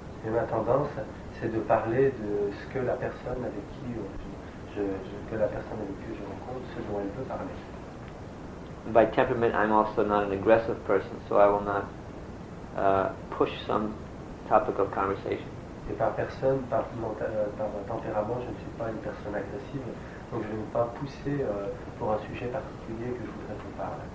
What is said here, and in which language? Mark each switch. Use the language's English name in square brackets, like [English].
[French] Et ma tendance, c'est de parler de ce que la personne avec qui je rencontre, ce dont elle peut parler. [English] By temperament, I'm also not an aggressive person, so I will not push some topic of conversation. [French] Et par personne, par tempérament, je ne suis pas une personne agressive, donc je ne vais pas pousser pour un sujet particulier que je voudrais vous parler.